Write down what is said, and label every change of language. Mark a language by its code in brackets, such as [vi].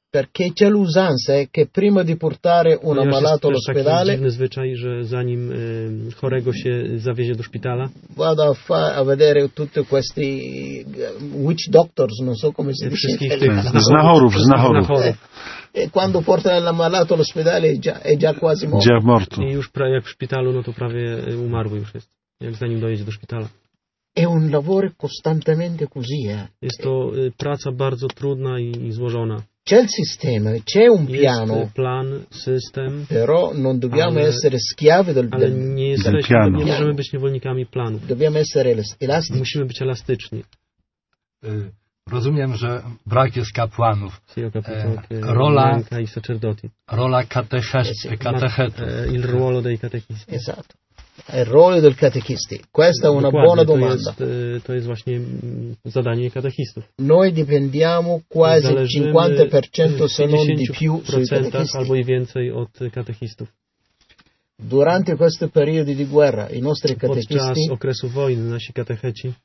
[it] Perché c'è l'usanza che prima di portare un ammalato all'ospedale, [pl] taki zwyczaj, że zanim chorego się zawiezie do szpitala, [it] vado a vedere tutti questi [en] witch doctors, [it] non so come si dice, [pl] znachorów. [it] E quando porta l'ammalato all'ospedale è già quasi morto. Già morto. [pl] I już jak w szpitalu, no to prawie umarły już jest, jak zanim dojedzie do szpitala. [it] È un lavoro costantemente così. [pl] Jest to praca bardzo trudna i złożona. [it] C'è il sistema, c'è un piano. [pl] Jest plan, system. [it] Però non dobbiamo essere schiavi del piano. [pl] Nie możemy być niewolnikami planu. [it] Dobbiamo essere elastici. [pl] Musimy być elastyczni. Rozumiem, że brak jest kapłanów. Rola katechety. [it] Il ruolo dei catechisti. Esatto. Il ruolo del catechisti. Questa è una buona domanda. [pl] To jest właśnie zadanie katechistów. [it] Noi dipendiamo quasi 50% se non di più sui catechisti. [pl] Albo i więcej od katechistów. [it] Durante questi periodi di guerra i nostri catechisti [pl] podczas okresu wojny nasi katecheci